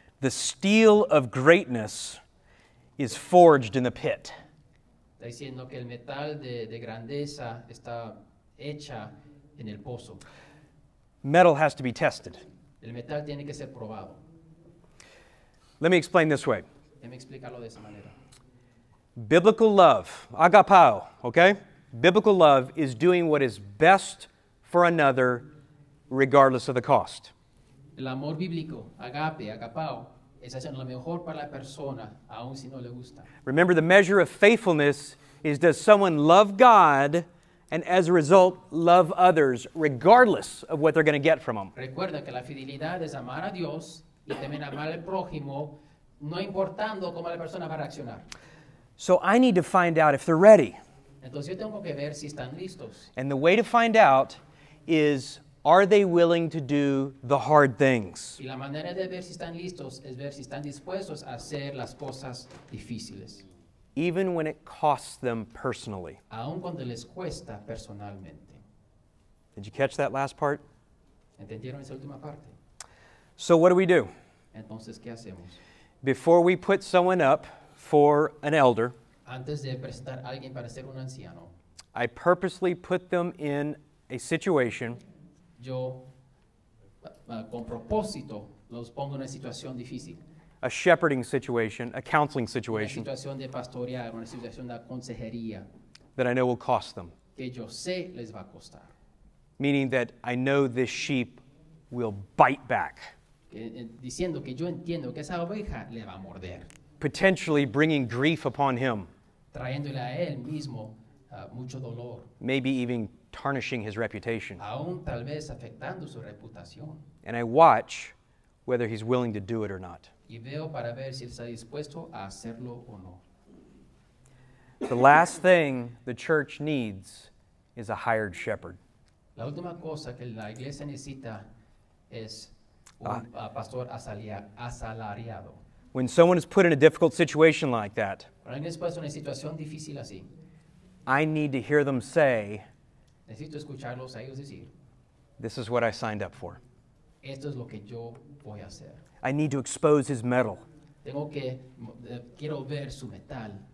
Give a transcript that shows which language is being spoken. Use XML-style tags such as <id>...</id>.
<en>The steel of greatness is forged in the pit.</en> <es>Está diciendo que el metal de grandeza está hecha en el pozo.</es> <en>Metal has to be tested.</en> <es>El metal tiene que ser probado.</es> <en>Let me explain this way.</en> <es>Déjame explicarlo de esa manera.</es> <en>Biblical love, agapao, okay? Biblical love is doing what is best for another regardless of the cost.</en> <es>El amor bíblico, agape, agapao, es hacer lo mejor para la persona, aun si no le gusta.</es> <en>Remember, the measure of faithfulness is, does someone love God and as a result love others regardless of what they're going to get from them?</en> <es>Recuerda que la fidelidad es amar a Dios y también amar al prójimo, no importando cómo la persona va a reaccionar.</es> <en>So I need to find out if they're ready.</en> <es>Entonces yo tengo que ver si están listos.</es> <en>And the way to find out is, are they willing to do the hard things?</en> <es>Y la manera de ver si están listos es ver si están dispuestos a hacer las cosas difíciles.</es> <en>Even when it costs them personally.</en> <es>Aun cuando les cuesta personalmente.</es> <en>Did you catch that last part?</en> <es>¿Entendieron esa última parte?</es> <en>So what do we do?</en> <es>Entonces, ¿qué hacemos?</es> <en>Before we put someone up for an elder,</en> <es>antes de presentar a alguien para ser un anciano,</es> <en>I purposely put them in a situation.</en> <es>Yo, con propósito, los pongo en una situación difícil.</es> <en>A shepherding situation, a counseling situation.</en> <es>Una situación de pastorear, una situación de consejería.</es> <en>That I know will cost them.</en> <es>Que yo sé les va a costar.</es> <en>Meaning that I know this sheep will bite back.</en> <es>Diciendo que yo entiendo que esa oveja le va a morder.</es> <en>Potentially bringing grief upon him.</en> <es>Trayéndole a él mismo mucho dolor.</es> <en>Maybe even tarnishing his reputation.</en> <es>Aún tal vez afectando su reputación.</es> <en>And I watch whether he's willing to do it or not.</en> <es>Y veo para ver si está dispuesto a hacerlo o no.</es> <en>The last thing the church needs is a hired shepherd.</en> <es>La última cosa que la iglesia necesita es un pastor asalariado.</es> <en>When someone is put in a difficult situation like that,</en> <es>cuando alguien es puesto en una situación difícil así,</es> <en>I need to hear them say,</en> <es>necesito escucharlos a ellos decir,</es> <en>this is what I signed up for.</en> <es>Esto es lo que yo voy a hacer.</es> <en>I need to expose his metal.</en> <es>Tengo que, quiero ver su metal.</es>